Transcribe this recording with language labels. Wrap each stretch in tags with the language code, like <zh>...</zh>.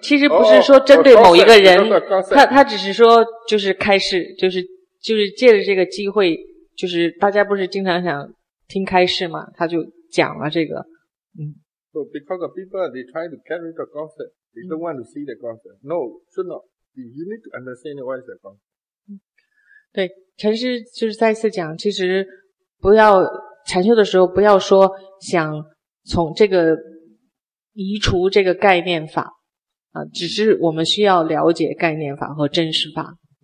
<zh>其实不是说针对某一个人，他只是说就是开示，就是借着这个机会，就是大家不是经常想听开示嘛，他就讲了这个。</zh> <en>So because of people they try to carry the concept, they don't want to see the concept. No, should not. You need to understand what is the concept.</en> <zh>对，禅师就是再次讲，其实。不要禅修的时候不要说想从这个移除这个概念法啊，只是我们需要了解概念法和真实法。</zh>